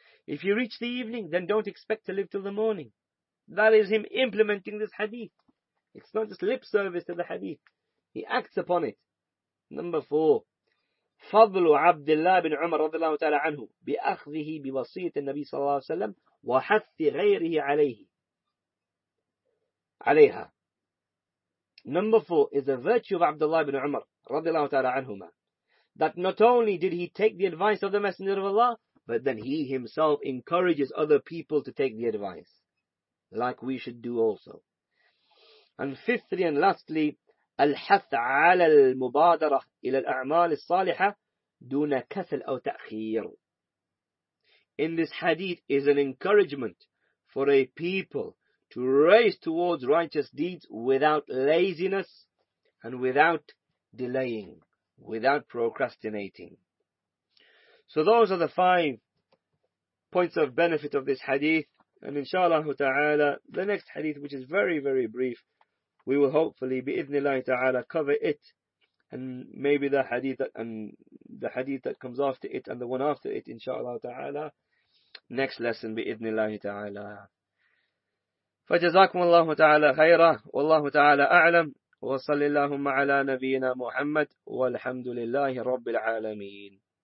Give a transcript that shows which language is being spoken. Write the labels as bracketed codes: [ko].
[en] If you reach the evening, then don't expect to live till the morning. That is him implementing this hadith. It's not just lip service to the hadith. He acts upon it. Number 4. [ar] فضل عبد الله بن عمر رضي الله تعالى عنه بأخذه بوصية النبي صلى الله عليه وسلم وحث غيره عليه عليها. [en] Number 4 is the virtue of Abdullah ibn Umar [ar] رضي الله تعالى عنهما, [en] that not only did he take the advice of the Messenger of Allah, but then he himself encourages other people to take the advice, like we should do also. And fifthly and lastly, [ar] الحث على المبادرة إلى الأعمال الصالحة دون كسل أو تأخير. [en] In this hadith is an encouragement for a people to race towards righteous deeds without laziness and without delaying, without procrastinating. So those are the 5 points of benefit of this hadith. And inshallah ta'ala, the next hadith, which is very, very brief, we will hopefully, bi'idhnillahi ta'ala, cover it. And maybe the hadith that comes after it and the one after it, inshallah ta'ala, next lesson, bi'idhnillahi ta'ala. [ar] فجزاكم الله تعالى خيرا والله تعالى أعلم وصلى اللهم على نبينا محمد والحمد لله رب العالمين